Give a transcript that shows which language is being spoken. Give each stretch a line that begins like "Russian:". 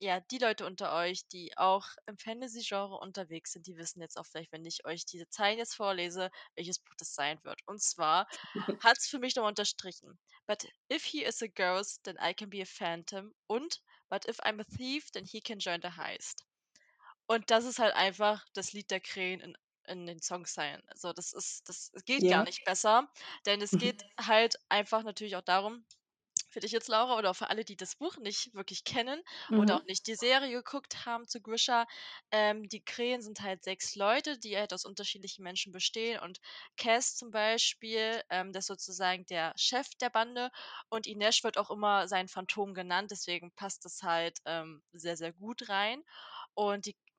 German: die Leute unter euch, die auch im Fantasy-Genre unterwegs sind, die wissen jetzt auch vielleicht, wenn ich euch diese Zeilen jetzt vorlese, welches Buch das sein wird. Und zwar hat es für mich nochmal unterstrichen.
English: But if he is a ghost, then I can be a phantom. Und but if I'm a thief, then he can join the heist.
German: Und das ist halt einfach das Lied der Krähen in den Songzeilen. Also das geht gar nicht besser. Denn es geht halt einfach natürlich auch darum, für dich jetzt, Laura, oder auch für alle, die das Buch nicht wirklich kennen oder auch nicht die Serie geguckt haben zu Grisha, die Krähen sind halt 6 Leute, die halt aus unterschiedlichen Menschen bestehen, und Cass zum Beispiel, der ist sozusagen der Chef der Bande, und Inesh wird auch immer sein Phantom genannt, deswegen passt das halt sehr, sehr gut rein, und die